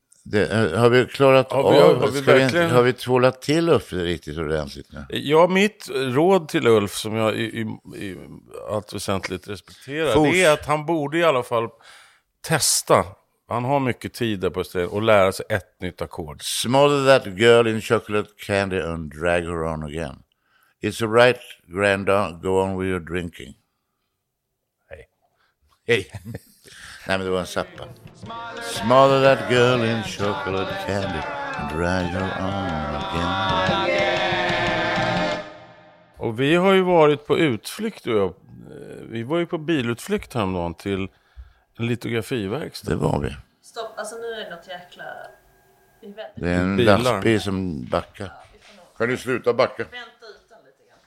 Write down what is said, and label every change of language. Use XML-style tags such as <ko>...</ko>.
<sv>Det, har vi klarat har vi tvålat till Ulf riktigt ordentligt nu? Ja, mitt råd till Ulf som jag i allt väsentligt respekterar är att han borde i alla fall testa. Han har mycket tid där på stället och lära sig ett nytt akkord.</sv> <en>Smother that girl in chocolate candy and drag her on again. It's all right, granddad, go on with your drinking.</en> <sv>Hej. Hej. Nej, men det var en sappa.</sv> <en>Smother that girl in chocolate candy and drag her on again.</en> <sv>Och vi har ju varit på utflykt. Vi var ju på bilutflykt häromdagen till en litografiverkstad. Det var vi. Stopp, alltså nu är det något jäkla... Det är en lastbil som backar. Kan du sluta backa? Vänta ut den lite</sv>